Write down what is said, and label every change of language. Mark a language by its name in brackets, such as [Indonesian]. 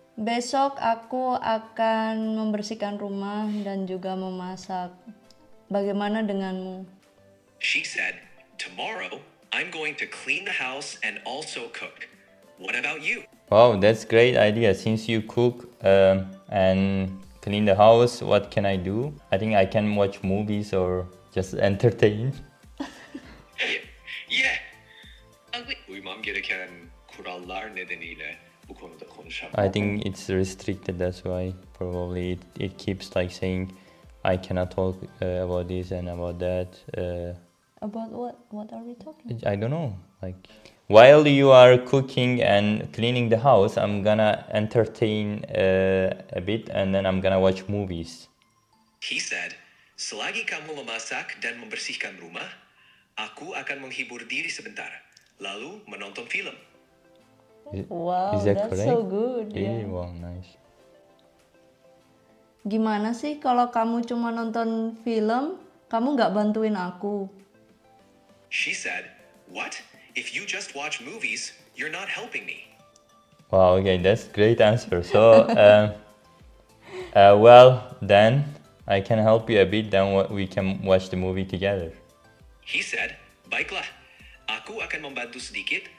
[Indonesian] Besok aku akan membersihkan rumah dan juga memasak. Bagaimana denganmu? [English] She said, tomorrow I'm going to clean the house and also cook. What about you? Wow, that's a great idea. Since you cook and clean the house, what can I do? I think I can watch movies or just entertain. [Turkish] Yeah. Uyumam gereken kurallar nedeniyle. [English] I think it's restricted, that's why probably it keeps like saying I cannot talk about this and about that. About what are we talking? I don't know. Like while you are cooking and cleaning the house, I'm gonna entertain a bit and then I'm gonna watch movies. He said, [Indonesian] "Selagi kamu memasak dan membersihkan rumah, aku akan menghibur diri sebentar, lalu menonton film." [English] Wow, is that that's correct? So good. Really? Wow, nice. [Indonesian] Gimana sih kalau kamu cuma nonton film, kamu nggak bantuin aku? [English] She said, "What? If you just watch movies, you're not helping me." Wow, okay, that's great answer. So, well, then I can help you a bit. Then we can watch the movie together. He said, [Indonesian] "Baiklah, aku akan membantu sedikit."